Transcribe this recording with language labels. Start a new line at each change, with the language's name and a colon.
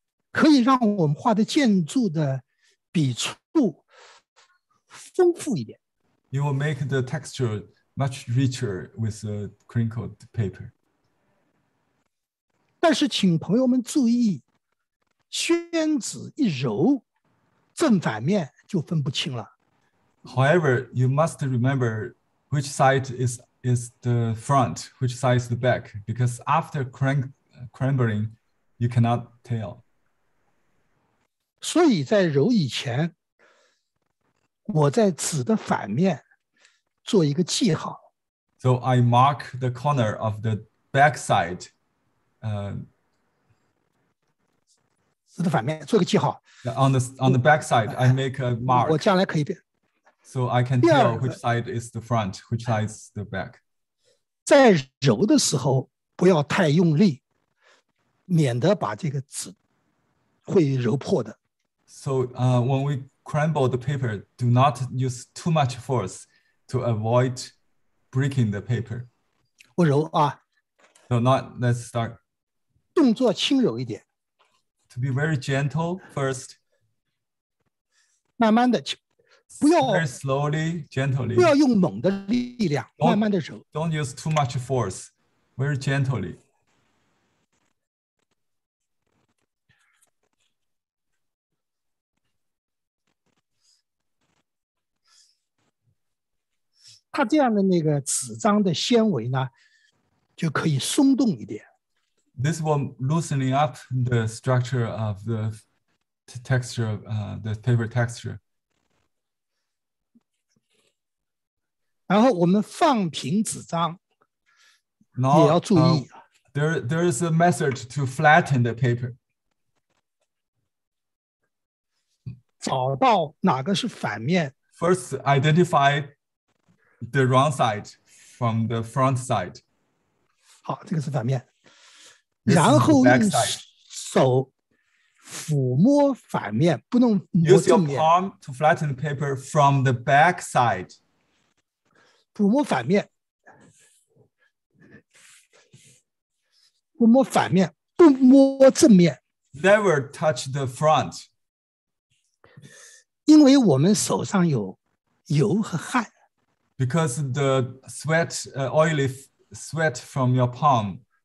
Chinese: 可以让我们画的建筑的笔触丰富一点。
English: You will make the texture much richer with a crinkled paper.
Chinese: 但是请朋友们注意，宣纸一揉，正反面就分不清了。
English: However, you must remember which side is the front, which side is the back, because after crumbling, you cannot tell.
Chinese: 所以在揉以前，我在纸的反面做一个记号。
English: So I mark the corner of the back side.
Chinese: 纸的反面做个记号。
English: On the back side, I make a mark.
Chinese: 我将来可以变。
English: So I can tell which side is the front, which side is the back.
Chinese: 在揉的时候不要太用力，免得把这个纸会揉破的。
English: So, when we crumble the paper, do not use too much force to avoid breaking the paper.
Chinese: 我揉啊。
English: So, not let's start.
Chinese: 动作轻柔一点。
English: To be very gentle first.
Chinese: 慢慢的。不要
English: very slowly, gently.
Chinese: 不要用猛的力量，慢慢的揉。
English: Don't use too much force. Very gently.
Chinese: 它这样的那个纸张的纤维呢，就可以松动一点。
English: This will loosening up the structure of the texture, the paper texture.
Chinese: 然后我们放平纸张也要注意。
English: There is a method to flatten the paper.
Chinese: 找到哪个是反面。
English: First, identify the wrong side from the front side.
Chinese: 好，这个是反面。然后用手抚摸反面，不能摸正面。
English: Use your palm to flatten the paper from the back side.
Chinese: 抚摸反面，抚摸反面，不摸正面。
English: Never touch the front.
Chinese: 因为我们手上有油和汗。
English: Because the sweat, oily sweat from your palm.